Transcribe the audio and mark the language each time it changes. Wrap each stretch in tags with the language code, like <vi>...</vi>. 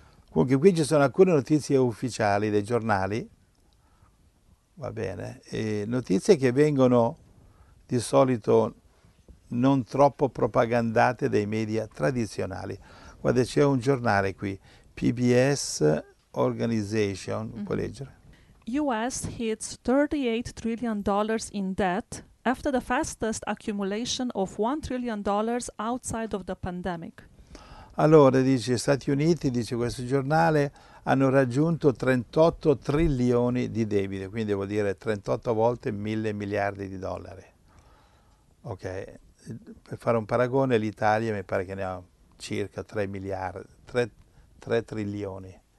<it>Comunque qui ci sono alcune notizie ufficiali dei giornali, va bene, e notizie che vengono di solito non troppo propagandate dai media tradizionali. Guarda, c'è un giornale qui, PBS Organization, mm-hmm. Puoi leggere?</it> <en>US hits $38 trillion in debt after the fastest accumulation of $1 trillion outside of the pandemic.</en> <it>Allora, dice, Stati Uniti, dice questo giornale, hanno raggiunto 38 trilioni di debito, quindi vuol dire 38 volte 1000 miliardi di dollari. Ok, per fare un paragone, l'Italia mi pare che ne ha circa 3 trilioni.</it>